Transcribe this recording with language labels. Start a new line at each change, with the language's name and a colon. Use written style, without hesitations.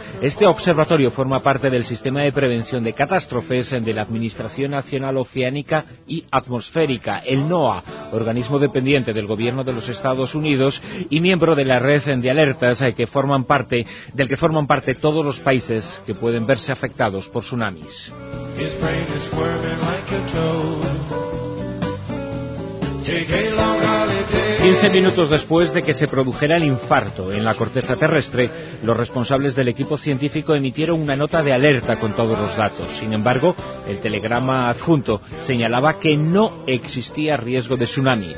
Spanish: Este observatorio forma parte del Sistema de Prevención de Catástrofes de la Administración Nacional Oceánica y Atmosférica, el NOAA, organismo dependiente del Gobierno de los Estados Unidos y miembro de la red de alertas del que forman parte todos los países que pueden verse afectados por tsunamis.
English: His brain is squirming like a toad. Take a long holiday.
Spanish: 15 minutos después de que se produjera el infarto en la corteza terrestre, los responsables del equipo científico emitieron una nota de alerta con todos los datos. Sin embargo, el telegrama adjunto señalaba que no existía riesgo de tsunami.